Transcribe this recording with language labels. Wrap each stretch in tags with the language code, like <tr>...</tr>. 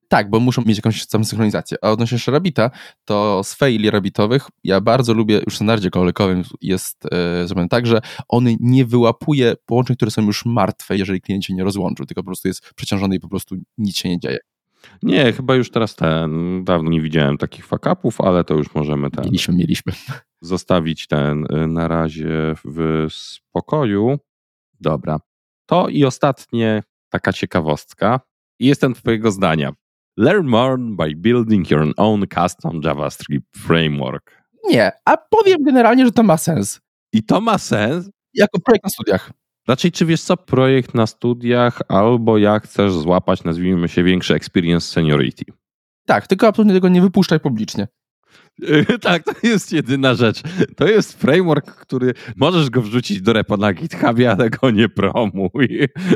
<pl>Tak, bo muszą mieć jakąś samą synchronizację. A odnośnie jeszcze Rabbita, to z faili Rabbitowych, ja bardzo lubię, już w standardzie kolekowym jest zrobione tak, że on nie wyłapuje połączeń, które są już martwe, jeżeli klient się nie rozłączył, tylko po prostu jest przeciążony i po prostu nic się nie dzieje. Nie, chyba już teraz ten, dawno nie widziałem takich fuck-upów, ale to już możemy ten... Mieliśmy. Zostawić ten na razie w spokoju. Dobra. To i ostatnie taka ciekawostka. Jestem twojego zdania.</pl> <en>Learn more by building your own custom JavaScript framework.</en> <pl>Nie, a powiem generalnie, że to ma sens. I to ma sens? Jako projekt na studiach. Raczej, czy wiesz co, projekt na studiach, albo jak chcesz złapać, nazwijmy się, większy experience seniority. Tak, tylko absolutnie tego nie wypuszczaj publicznie. Tak, to jest jedyna rzecz. To jest framework, który możesz go wrzucić do repo na GitHubie, ale go nie promuj.</pl>